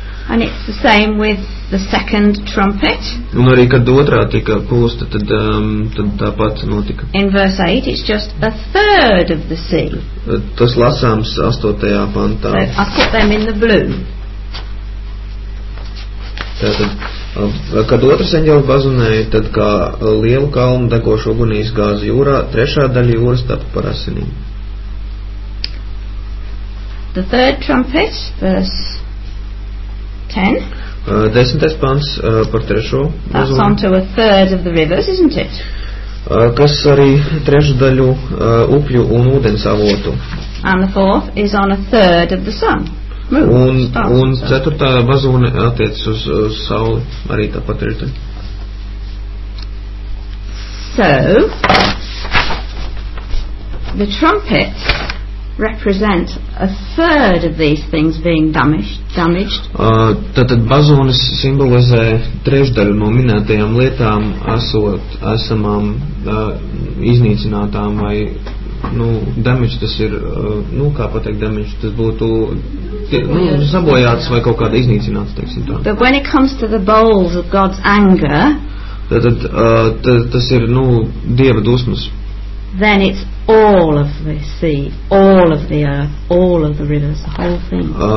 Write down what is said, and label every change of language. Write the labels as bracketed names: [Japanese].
[English] And it's the same with the second trumpet. [Latvian] Un arī, kad otrā tika pūsta, tad tāpat notika. [English] In verse 8, it's just a third of the sea. [Latvian] Tas lasāms astotajā pantā. [English] So, I put them in the blue. [Latvian] Tātad, kad otrs eņģels bazunēja, tad kā lielu kalnu degošu ugunīs gāzi jūrā, trešā daļa jūras tapa par asinīm. [English] The third trumpet, verse 10. [Latvian] Desmitais pants par trešo. [English] That's on to a third of the rivers, isn't it? [Latvian] Kas arī trešdaļu upju un ūdens avotu. [English] And the fourth is on a third of the sun. [Latvian] Un ceturtā bazūne attiec uz sauli arī tāpat trešdaļu. [English] So, the trumpet represent a third of these things being damaged. [Latvian] Tātad bazūnes simbolizē trešdaļu no minētajām lietām esamām iznīcinātām vai nu damage tas ir nu kā pateikt damage tas būtu nu sabojāts vai kaut kāda iznīcināts teiksim tā. [English] But when it comes to the bowls of God's anger, [Latvian] tātad tas ir nu Dieva dusmas. [English] Then it's all of the sea, all of the earth, all of the rivers, the whole thing.